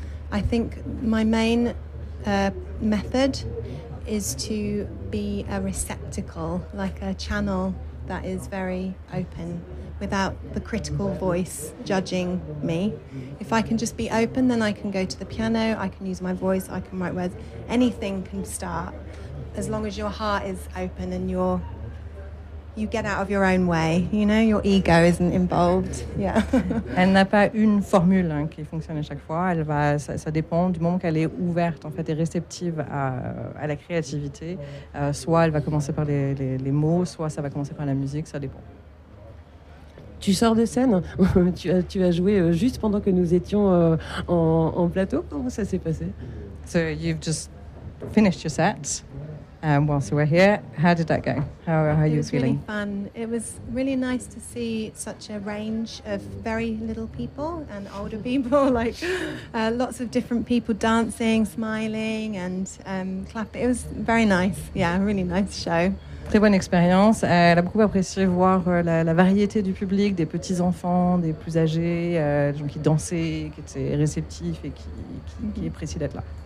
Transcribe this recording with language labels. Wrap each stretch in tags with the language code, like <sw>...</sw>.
<en>I think my main method is to be a receptacle, like a channel that is very open, without the critical voice judging me. If I can just be open, then I can go to the piano, I can use my voice, I can write words. Anything can start, as long as your heart is open and you get out of your own way, you know, your ego isn't involved. Yeah.</en> <fr>Elle n'a pas une formule hein, qui fonctionne à chaque fois. Elle va, ça dépend du moment qu'elle est ouverte, en fait, et réceptive à la créativité. Soit elle va commencer par les mots, soit ça va commencer par la musique, ça dépend. tu sors de scène, tu as joué juste pendant que nous étions en plateau. Comment ça s'est passé?</fr> <en>So you've just finished your set whilst we're here. How did that go? How are you feeling? It was really fun. It was really nice to see such a range of very little people and older people, like lots of different people dancing, smiling and clapping. It was very nice. Yeah, really nice show.</en> <fr>Très bonne expérience. Elle a beaucoup apprécié voir la variété du public, des petits-enfants, des plus âgés, des gens qui dansaient, qui étaient réceptifs et qui appréciaient d'être là.</fr>